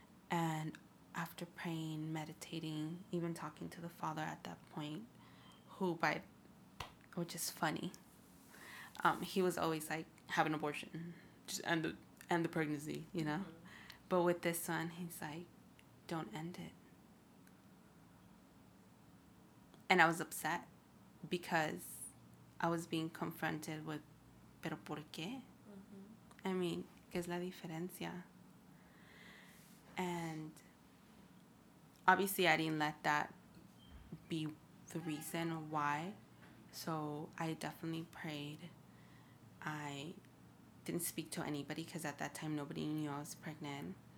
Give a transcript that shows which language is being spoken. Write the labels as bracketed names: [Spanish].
[English] And after praying, meditating, even talking to the Father at that point, which is funny, he was always like, have an abortion, just end the pregnancy, you know? Mm-hmm. But with this one, he's like, don't end it. And I was upset because I was being confronted with, [Spanish] pero por qué? [English] I mean, [Spanish] ¿qué es la diferencia? [English] And obviously I didn't let that be the reason why. So I definitely prayed. I didn't speak to anybody because at that time nobody knew I was pregnant.